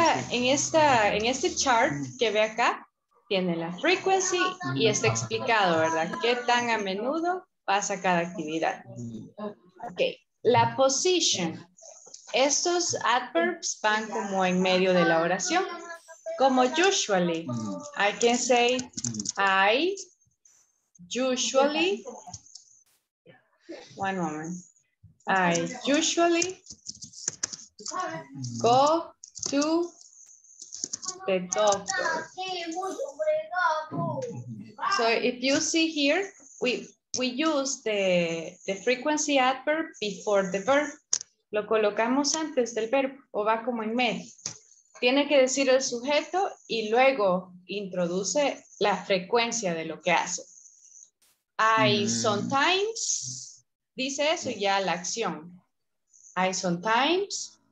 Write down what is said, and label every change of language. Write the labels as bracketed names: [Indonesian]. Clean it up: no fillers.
[Spanish] En este chart que ve acá, tiene la frequency y está explicado, ¿verdad? ¿Qué tan a menudo pasa cada actividad? Ok, la position. Estos adverbs van como en medio de la oración. [English] Como usually, I can say I... Usually, one moment, I usually go to the doctor. So if you see here, we use the frequency adverb before the verb. [Spanish] Lo colocamos antes del verbo o va como en medio. Tiene que decir el sujeto y luego introduce la frecuencia de lo que hace. [English] I sometimes, [Spanish] dice eso y ya la acción. I sometimes